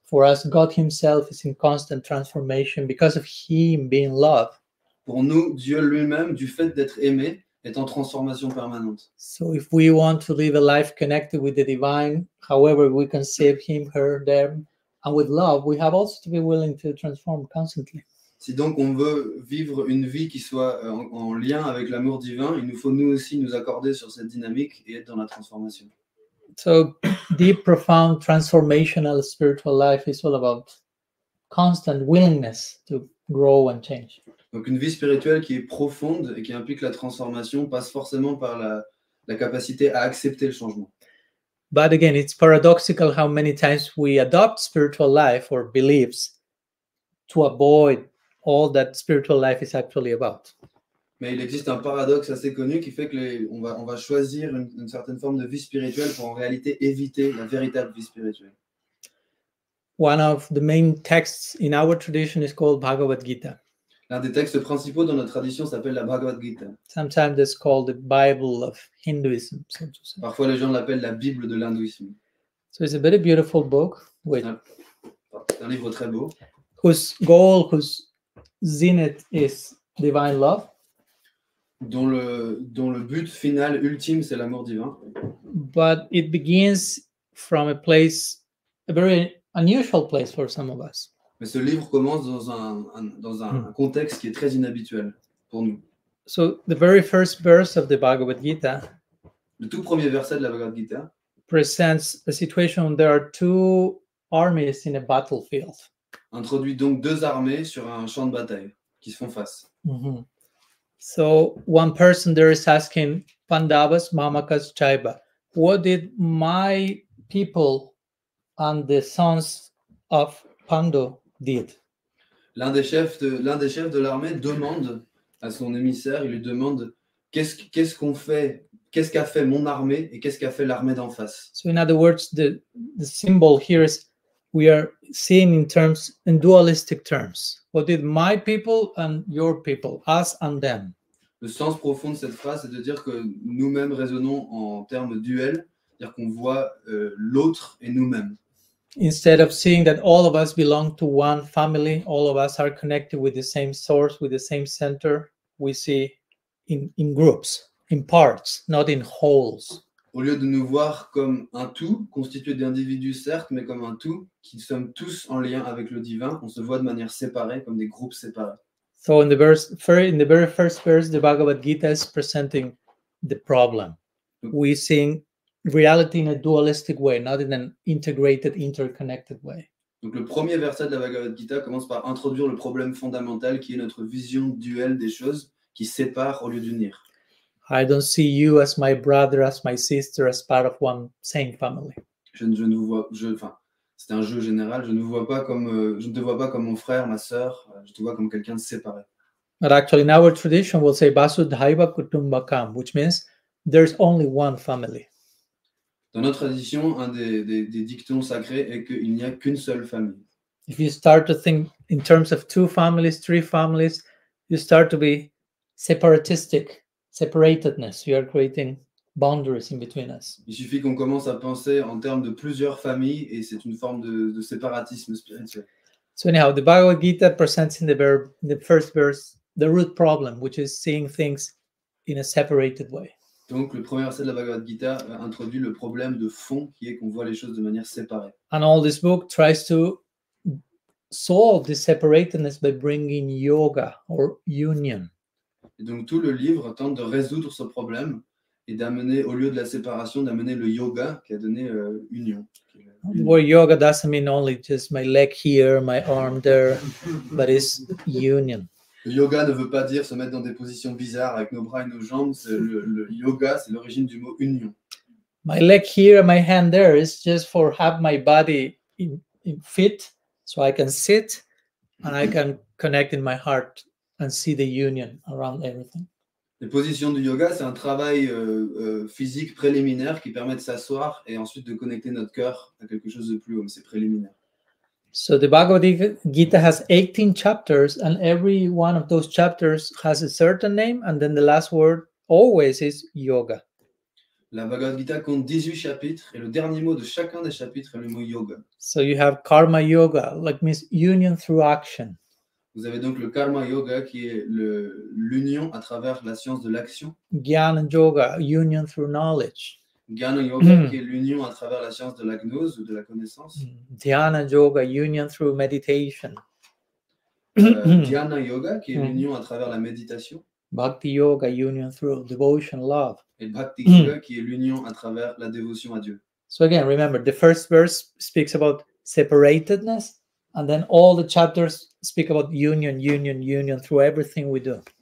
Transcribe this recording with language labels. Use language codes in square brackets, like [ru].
[en] For us, God himself is in constant transformation because of him being love. [fr] Pour nous, Dieu lui-même, du fait d'être aimé, est en transformation permanente. [en] So if we want to live a life connected with the divine, however we conceive him, her, them, and with love, we have also to be willing to transform constantly. [fr] Si donc on veut vivre une vie qui soit en lien avec l'amour divin, il nous faut nous aussi nous accorder sur cette dynamique et être dans la transformation. [en] So deep, profound, transformational spiritual life is all about constant willingness to grow and change. [fr] Donc une vie spirituelle qui est profonde et qui implique la transformation passe forcément par la capacité à accepter le changement. [en] But again, it's paradoxical how many times we adopt spiritual life or beliefs to avoid all that spiritual life is actually about. [fr] Mais il existe un paradoxe assez connu qui fait que on va choisir une certaine forme de vie spirituelle pour en réalité éviter la véritable vie spirituelle. [en] One of the main texts in our tradition is called Bhagavad Gita. [fr] L'un des textes principaux dans notre tradition s'appelle la Bhagavad Gita. [en] Sometimes it's called the Bible of Hinduism, so to say. [fr] Parfois les gens l'appellent la Bible de l'hindouisme. [en] So it's a very beautiful book. [fr] C'est un livre très beau. [en] Whose goal, whose zenith is divine love. [fr] Dont le but final ultime, c'est l'amour divin. [en] But it begins from a place, a very unusual place for some of us. [fr] Mais ce livre commence dans un contexte qui est très inhabituel pour nous. [en] So the very first verse of the Bhagavad Gita, [fr] le tout premier verset de la Bhagavad Gita, [en] presents a situation where there are two armies in a battlefield. [fr] Introduit donc deux armées sur un champ de bataille qui se font face. Mm-hmm. [en] So one person there is asking Pandavas, Mamakas, Chaiba, what did my people and the sons of Pando did. [fr] L'un des chefs de l'armée demande à son émissaire, il lui demande qu'est-ce qu'a fait mon armée et qu'est-ce qu'a fait l'armée d'en face. [en] So in other words, the symbol here is we are seeing in terms, in dualistic terms. What did my people and your people, us and them? [fr] Le sens profond de cette phrase, c'est de dire que nous-mêmes raisonnons en termes duels, c'est-à-dire qu'on voit l'autre et nous-mêmes. [en] Instead of seeing that all of us belong to one family, all of us are connected with the same source, with the same center, we see in groups, in parts, not in wholes. [fr] Au lieu de nous voir comme un tout, constitué d'individus certes, mais comme un tout, qui sommes tous en lien avec le divin, on se voit de manière séparée, comme des groupes séparés. [en] So in the very first verse, the Bhagavad Gita is presenting the problem. We're seeing reality in a dualistic way, not in an integrated, interconnected way. [fr] Donc le premier verset de la Bhagavad Gita commence par introduire le problème fondamental qui est notre vision duelle des choses qui sépare au lieu d'unir. [en] I don't see you as my brother, as my sister, as part of one same family. [fr] C'est un jeu général. Je ne vous vois pas comme, je ne te vois pas comme mon frère, ma sœur. Je te vois comme quelqu'un de séparé. [en] But actually, in our tradition, we'll say Vasudhaiva Kutumbakam, which means there's only one family. [fr] Dans notre tradition, un des dictons sacrés est qu'il n'y a qu'une seule famille. [en] If you start to think in terms of two families, three families, you start to be separatistic. Separatedness, you are creating boundaries in between us. [fr] Il suffit qu'on commence à penser en termes de plusieurs familles et c'est une forme de séparatisme spirituel. [en] So anyhow, the Bhagavad Gita presents in the first verse the root problem, which is seeing things in a separated way. [fr] Donc le premier verset de la Bhagavad Gita introduit le problème de fond qui est qu'on voit les choses de manière séparée. [en] And all this book tries to solve this separatedness by bringing yoga or union. [fr] Et donc tout le livre tente de résoudre ce problème et d'amener, au lieu de la séparation, d'amener le yoga qui a donné union. [en] Well, yoga doesn't mean only just my leg here, my arm there, but it's union. [fr] Le yoga ne veut pas dire se mettre dans des positions bizarres avec nos bras et nos jambes. C'est le yoga, c'est l'origine du mot union. [en] My leg here, my hand there is just for have my body in fit so I can sit and I can connect in my heart. And see the union around everything. [fr] Les positions du yoga, c'est un travail physique préliminaire qui permet de s'asseoir et ensuite de connecter notre cœur à quelque chose de plus haut, mais c'est préliminaire. [en] So the Bhagavad Gita has 18 chapters and every one of those chapters has a certain name and then the last word always is yoga. [fr] La Bhagavad Gita compte 18 chapitres et le dernier mot de chacun des chapitres est le mot yoga. [en] So you have karma yoga, like means union through action. [fr] Vous avez donc le karma yoga qui est l'union à travers la science de l'action. [en] Jnana yoga, union through knowledge. [fr] Jnana yoga qui est l'union à travers la science de la gnose ou de la connaissance. [en] Dhyana yoga, union through meditation. [fr] Dhyana yoga qui est l'union à travers la méditation. [en] Bhakti yoga, union through devotion, love. [fr] Et bhakti yoga qui est l'union à travers la dévotion à Dieu. [en] So again, remember, the first verse speaks about separatedness. And then all the chapters speak about union, union, union through everything we do.